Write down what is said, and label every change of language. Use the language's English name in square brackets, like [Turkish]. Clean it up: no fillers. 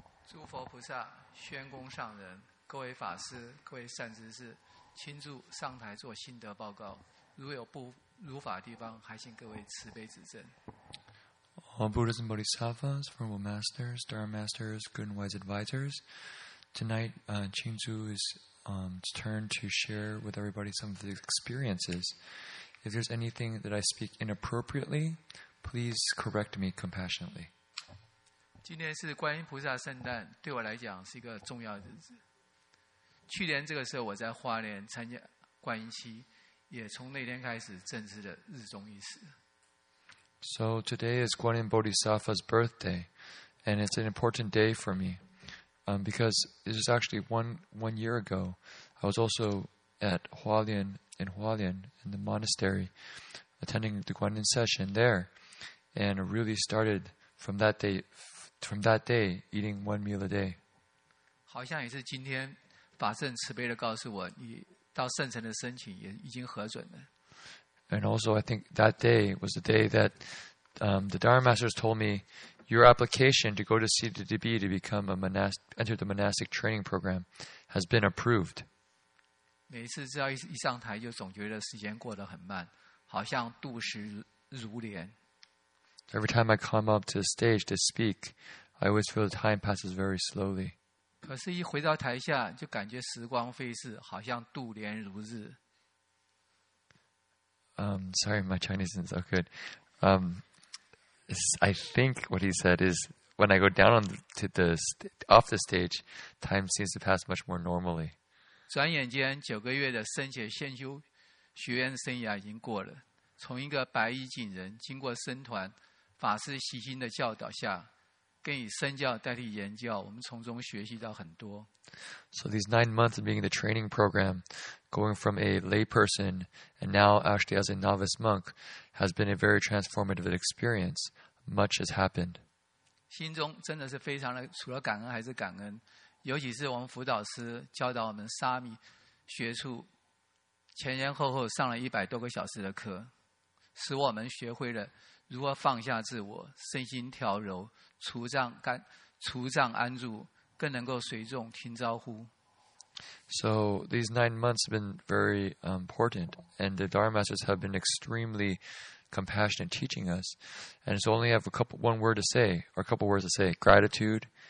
[Chinese] 诸佛菩萨、宣公上人、各位法师、各位善知识，亲祝上台做心得报告，如有不如法的地方，还请各位慈悲指正。 [English] All Buddhas and Bodhisattvas, formal masters, Dharma masters, good and wise advisors, tonight Qingzu is turned to share with everybody some of the experiences. If there's anything that I speak inappropriately, please correct me compassionately. [Chinese] 今天是观音菩萨圣诞，对我来讲是一个重要的日子。去年这个时候我在花莲参加观音期，也从那天开始正式的日中一时。 [English] So today is Guanyin Bodhisattva's birthday, and it's an important day for me, because this is actually one year ago. I was also at Hualien, in Hualien, in the monastery, attending the Guanyin session there, and really started from that day, eating one meal a day. [Chinese] 好像也是今天法圣慈悲地告诉我，你到圣城的申请也已经核准了。 [English] And also, I think that day was the day that the Dharma Masters told me your application to go to CDDB to become a enter the monastic training program has been approved. [Chinese] 每次只要一上台，就总觉得时间过得很慢，好像度时如年。 [English] Every time I come up to the stage to speak, I always feel the time passes very slowly. [Chinese] 可是，一回到台下，就感觉时光飞逝，好像度年如日。 [English] Sorry, my Chinese isn't so good. I think what he said is when I go down off the stage, time seems to pass much more normally. [Chinese] 转眼间九个月的僧伽先修学院生涯已经过了，从一个白衣锦人，经过僧团法师悉心的教导下，更以身教代替言教，我们从中学习到很多。 [English] So these 9 months of being in the training program, going from a layperson and now actually as a novice monk, has been a very transformative experience. Much has happened. [Chinese] 心中真的是非常的，除了感恩还是感恩，尤其是我们辅导师教导我们沙弥学处，前前后后上了100多个小时的课，使我们学会了如何放下自我，身心调柔，除障安住，更能够随众听招呼。 [English] So these 9 months have been very important, and the Dharma Masters have been extremely compassionate teaching us. And so only have a couple words to say, gratitude.